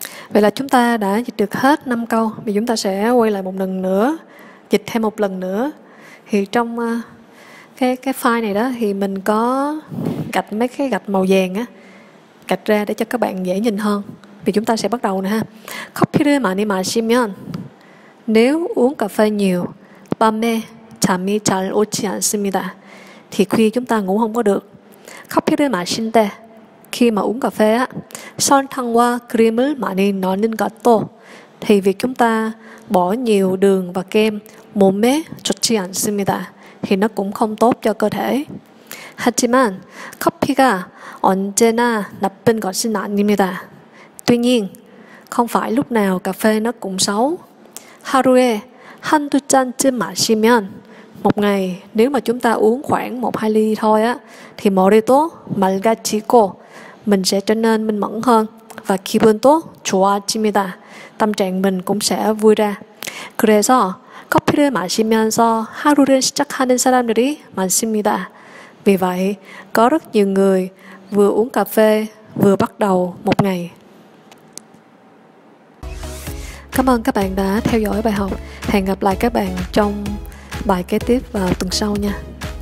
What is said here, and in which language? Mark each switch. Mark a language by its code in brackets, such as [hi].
[vi] Vậy là chúng ta đã dịch được hết 5 câu. Bây giờ chúng ta sẽ quay lại một lần nữa, dịch thêm một lần nữa. Thì trong cái file này đó, thì mình có gạch mấy cái gạch màu vàng á, gạch ra để cho các bạn dễ nhìn hơn. Thì chúng ta sẽ bắt đầu nè ha. [ko] 커피를 많이 마시면, [vi] nếu uống cà phê nhiều, [ko] 밤에 잠이 잘 오지 않습니다. [vi] Thì khuya chúng ta ngủ không có được. [ko] 커피를 마신 때, [vi] khi mà uống cà phê á, [ko] 설탕과 크림을 많이 넣는 것도, [vi] thì việc chúng ta bỏ nhiều đường và kem, [ko] 몸에 좋지 않습니다. [vi] Thì nó cũng không tốt cho cơ thể. [ko] 하지만 커피가 언제나 나쁜 것은 아닙니다. [vi] Tuy nhiên, không phải lúc nào cà phê nó cũng xấu. [ko] 하루에 한두 잔쯤 마시면, [vi] một ngày nếu mà chúng ta uống khoảng 1-2 ly thôi á, thì [ko] 머리도 맑아지고, [vi] mình sẽ trở nên minh mẫn hơn. [ko] Và 기분도 좋아집니다. [vi] Tâm trạng mình cũng sẽ vui ra. [ko] 그래서 커피를 마시면서 하루를 시작하는 사람들이 많습니다. [vi] Vì vậy, có rất nhiều người vừa uống cà phê, vừa bắt đầu một ngày. Cảm ơn các bạn đã theo dõi bài học. Hẹn gặp lại các bạn trong bài kế tiếp vào tuần sau nha.